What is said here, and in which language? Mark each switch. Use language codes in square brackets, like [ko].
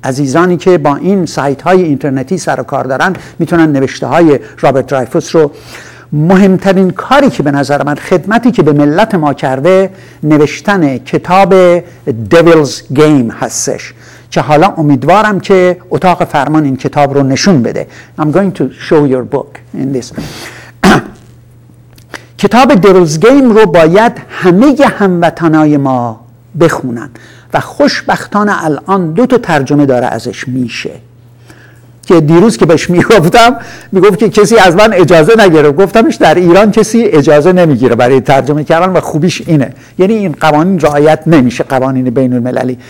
[fa] عزیزانی که با این سایت های اینترنتی سر و کار دارن میتونن نوشته های رابرت درایفوس رو. مهمترین کاری که به نظر من، خدمتی که به ملت ما کرده، نوشتن کتاب Devil's Game هستش، که حالا امیدوارم که اتاق فرمان این کتاب رو نشون بده. [en] I'm going to show your book in this. [fa] کتاب Devil's Game رو باید همه هموطنای ما بخونن و خوشبختانه الان دو تا ترجمه داره ازش میشه، که دیروز که بهش میگفتم میگفت که کسی از من اجازه نگرفت. گفتمش در ایران کسی اجازه نمیگیره برای ترجمه کردن، و خوبیش اینه، یعنی این قوانین رعایت نمیشه، قوانین بین المللی.